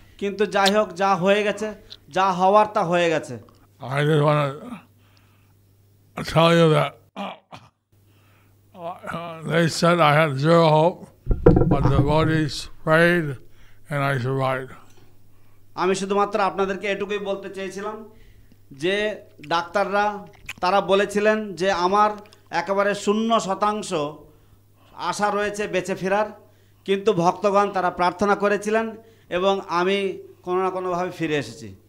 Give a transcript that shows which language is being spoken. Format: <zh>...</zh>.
<bn>কিন্তু যাই হোক যা হয়ে গেছে যা হওয়ার তা হয়ে গেছে</bn> <en>I just want to tell you that they said I had zero hope but the devotees prayed and I survived.</en> <bn>আমি শুধুমাত্র আপনাদেরকে এটুকুই বলতে চেয়েছিলাম যে ডাক্তাররা তারা বলেছিলেন যে আমার একেবারে শূন্য শতাংশ আশা রয়েছে বেঁচে ফেরার কিন্তু ভক্তগণ তারা প্রার্থনা করেছিলেন এবং আমি কোনো না কোনো ভাবে ফিরে এসেছি</bn>